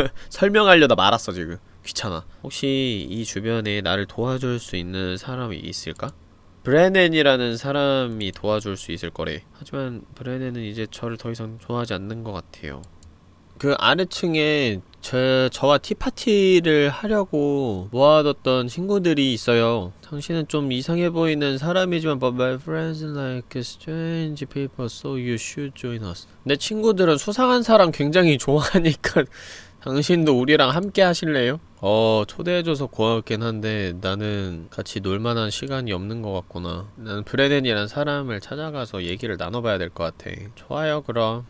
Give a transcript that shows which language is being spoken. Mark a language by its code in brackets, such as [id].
[ko] 설명하려다 말았어 지금. 귀찮아. 혹시 이 주변에 나를 도와줄 수 있는 사람이 있을까? 브레넨이라는 사람이 도와줄 수 있을 거래. 하지만 브레넨은 이제 저를 더 이상 좋아하지 않는 것 같아요. 그 아래층에 저와 티파티를 하려고 모아뒀던 친구들이 있어요. 당신은 좀 이상해 보이는 사람이지만 [en] But my friends like strange people so you should join us. [ko] 내 친구들은 수상한 사람 굉장히 좋아하니까 당신도 우리랑 함께 하실래요? 초대해줘서 고맙긴 한데 나는 같이 놀만한 시간이 없는 것 같구나. 난 브레넨이란 사람을 찾아가서 얘기를 나눠봐야 될 것 같아. 좋아요 그럼.